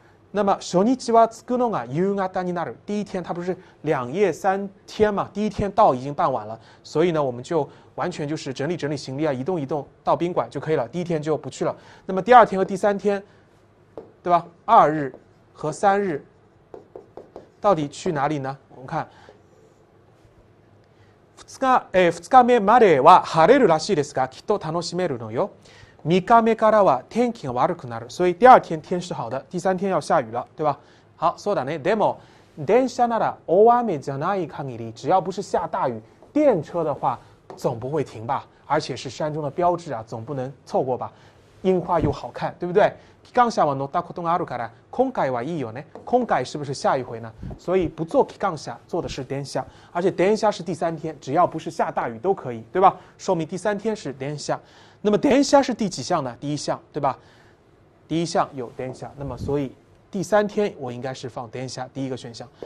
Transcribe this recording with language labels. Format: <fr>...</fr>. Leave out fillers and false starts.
<ja>那么初日は着くのが夕方になる。</ja> <zh>第一天它不是两夜三天嘛？第一天到已经傍晚了，所以呢，我们就完全就是整理整理行李啊，移动移动到宾馆就可以了。第一天就不去了。那么第二天和第三天，对吧？二日和三日，到底去哪里呢？我们看，二日目</zh> <ja>までは晴れるらしいですが、きっと楽しめるのよ。三日目からは天気が悪くなる。</ja> <zh>所以第二天天是好的，第三天要下雨了，对吧？好，そうだね。でも電車なら大雨じゃない限り，只要不是下大雨，电车的话总不会停吧？而且是山中的标志啊，总不能错过吧？樱花又好看，对不对？</zh> <ja>機関車は乗ったことがあるから、今回はいいよね。</ja> <zh>今回是不是下一回呢？所以不坐機関車，坐的是電車。而且電車是第三天，只要不是下大雨都可以，对吧？说明第三天是電車。那么電車是第几项呢？第一项，对吧？第一项有電車。那么所以第三天我应该是放電車，第一个选项。</zh>